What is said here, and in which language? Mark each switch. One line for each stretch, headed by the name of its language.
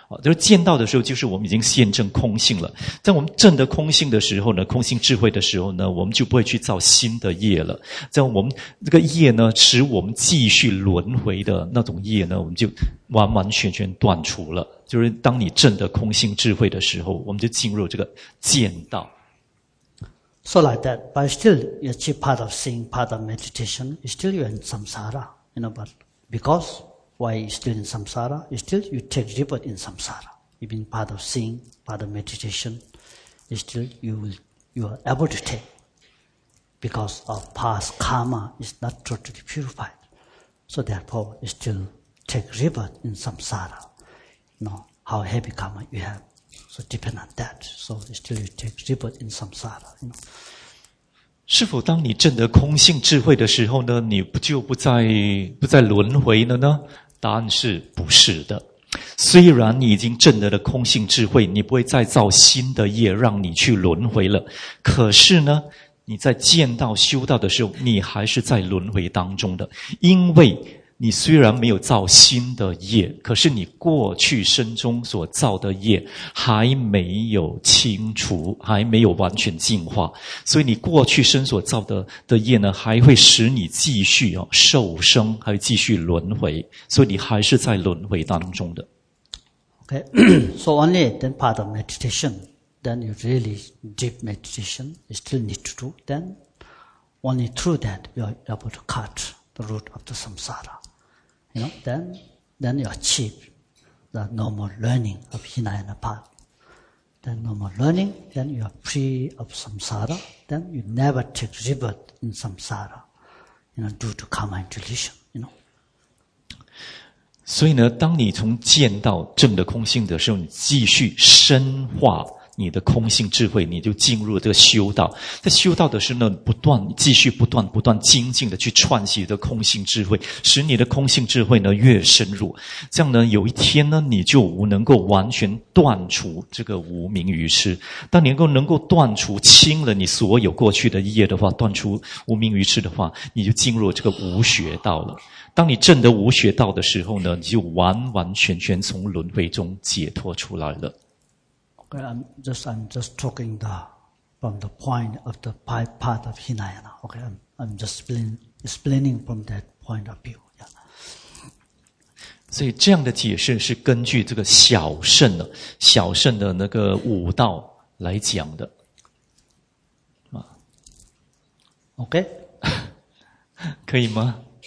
Chinese: 就是见到的时候，就是我们已经现证空性了。在我们证得空性的时候呢，空性智慧的时候呢，我们就不会去造新的业了。在我们这个业呢，使我们继续轮回的那种业呢，我们就完完全全断除了。就是当你证得空性智慧的时候，我们就进入这个见到。
English: So like that, but still, you achieve part of seeing, part of meditation, you still in samsara, you know, but because. Why you still in samsara? You still you take rebirth in samsara. Even part of seeing, part of meditation, you still you are able to take because of past karma is not totally purified. So therefore, you still take rebirth in samsara. You know, how heavy karma you have. So depend on that. So you still you take rebirth in samsara. You know.
Chinese: 是否当你证得空性智慧的时候呢，你就不再轮回了呢？答案是不是的。虽然你已经证得了空性智慧，你不会再造新的业让你去轮回了，可是呢，你在见到修道的时候，你还是在轮回当中的。因为你虽然没有造新的业，可是你过去生中所造的业还没有清除，还没有完全净化，所以你过去生所造的业呢，还会使你继续受生，还会继续轮回，所以你还是在轮回当中的。
English: Okay, so only then part of meditation, then you really deep meditation, you still need to do. Then only through that you are able to cut the root of the samsara. You know, then you achieve the normal learning of Hinayana path. Then normal learning, then you are free of samsara, then you never take rebirth in samsara, you know, due to karma and delusion, you know.
Chinese: 所以呢，当你从见到证得空性的时候，你继续深化你的空性智慧，你就进入了这个修道。在修道的时候呢，不断精进的去串习的空性智慧，使你的空性智慧呢越深入。这样呢，有一天呢，你就能够完全断除这个无明愚痴。当你能够断除清了你所有过去的业的话，断除无明愚痴的话，你就进入了这个无学道了。当你证得无学道的时候呢，你就完完全全从轮回中解脱出来了。
English: I'm just talking from the point of the part of Hinayana. Okay, I'm, I'm just explaining from that point of view.
Chinese: 所以这样的解释是根据这个小圣的小圣的那个五道来讲的。
English: OK?
Chinese: 可以吗？